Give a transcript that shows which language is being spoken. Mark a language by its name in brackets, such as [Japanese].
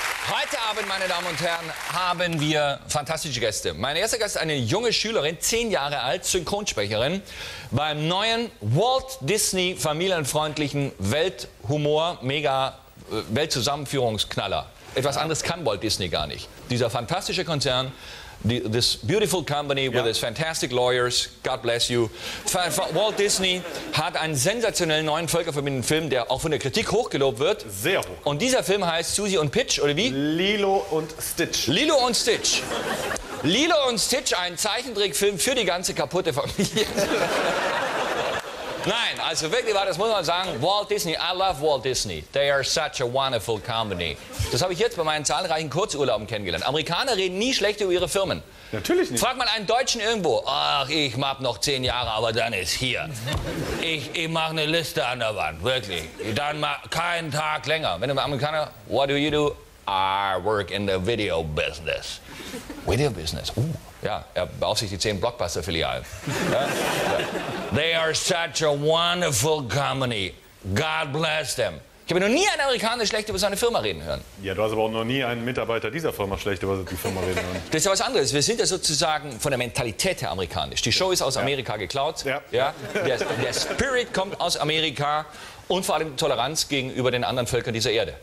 [German] Heute Abend, meine Damen und Herren, haben wir fantastische Gäste. Mein erster Gast ist eine junge Schülerin, 10 Jahre alt, Synchronsprecherin, beim neuen Walt Disney familienfreundlichen Welthumor, mega Weltzusammenführungsknaller. Etwas anderes kann Walt Disney gar nicht. Dieser fantastische Konzern. [English] This beautiful company, [German] ja, [English] with its fantastic lawyers, God bless you. [German] Walt Disney hat einen sensationellen neuen völkerverbindenden Film, der auch von der Kritik hochgelobt wird. Sehr hoch. Und dieser Film heißt Susie und Pitch, oder wie? Lilo und Stitch. Lilo und Stitch. Lilo und Stitch, ein Zeichentrickfilm für die ganze kaputte Familie. Nein, also wirklich, das muss man sagen, Walt Disney, [English] I love Walt Disney. They are such a wonderful company. [German] Das habe ich jetzt bei meinen zahlreichen Kurzurlauben kennengelernt. Amerikaner reden nie schlecht über ihre Firmen. Natürlich nicht. Frag mal einen Deutschen irgendwo, ach, ich mag noch 10 Jahre, aber dann ist hier. Ich mache eine Liste an der Wand, wirklich. Dann mach keinen Tag länger. Wenn du Amerikaner, [English] what do you do? I work in the video business. Video business, [German] ja, er beaufsichtigt 10 Blockbuster-Filialen. Ja? Ja. [English] They are such a wonderful company. God bless them. [German] Ich habe noch nie einen Amerikaner schlecht über seine Firma reden hören. Ja, du hast aber auch noch nie einen Mitarbeiter dieser Firma schlecht über die Firma reden hören. Das ist ja was anderes. Wir sind ja sozusagen von der Mentalität her amerikanisch. Die Show ist aus Amerika geklaut. Ja. Ja? Der Spirit kommt aus Amerika und vor allem Toleranz gegenüber den anderen Völkern dieser Erde.